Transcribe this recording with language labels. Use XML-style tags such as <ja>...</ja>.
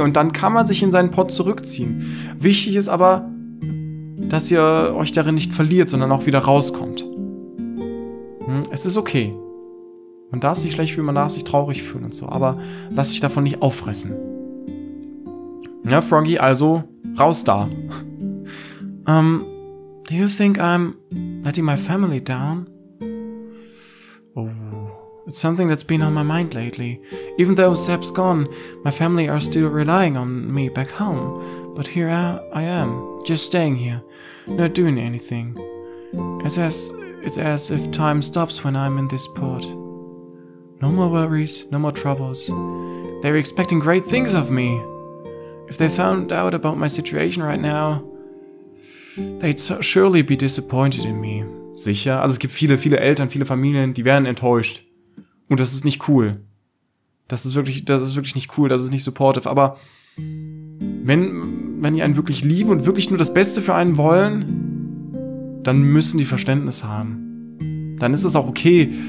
<de>Und dann kann man sich in seinen Pott zurückziehen. Wichtig ist aber, dass ihr euch darin nicht verliert, sondern auch wieder rauskommt. Es ist okay. Man darf sich schlecht fühlen, man darf sich traurig fühlen und so, aber lasst euch davon nicht auffressen. Ja, Froggy, also raus da.</de> <en>Do you think I'm letting my family down? Oh, it's something that's been on my mind lately. Even though Sepp's gone, my family are still relying on me back home. But here I am, just staying here, not doing anything. It's as if time stops when I'm in this port. No more worries, no more troubles. They're expecting great things of me. If they found out about my situation right now, they'd surely be disappointed in me.</en> <de>Sicher? Also es gibt viele, viele Eltern, viele Familien, die werden enttäuscht. Und das ist nicht cool. Das ist wirklich nicht cool, das ist nicht supportive. Aber wenn die einen wirklich lieben und wirklich nur das Beste für einen wollen, dann müssen die Verständnis haben. Dann ist es auch okay.</de>